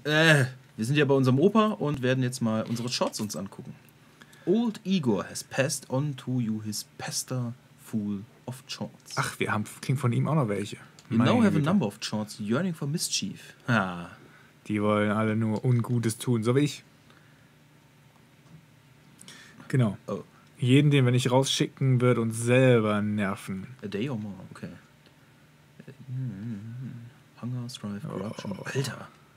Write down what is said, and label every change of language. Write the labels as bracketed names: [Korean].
[German] Wir sind hier bei unserem Opa und werden jetzt mal unsere Shorts uns angucken. [English] Old Igor has passed on to you his pester fool of shorts. [German] Ach, wir haben, klingt von ihm auch noch welche. [English] You now have a number of shorts yearning for mischief. Ha. [German] Die wollen alle nur Ungutes tun, so wie ich. Genau. Oh. Jeden, den wir nicht rausschicken, wird uns selber nerven. [English] A day or more, okay. Hunger, Strife, Corruption. Oh. Alter.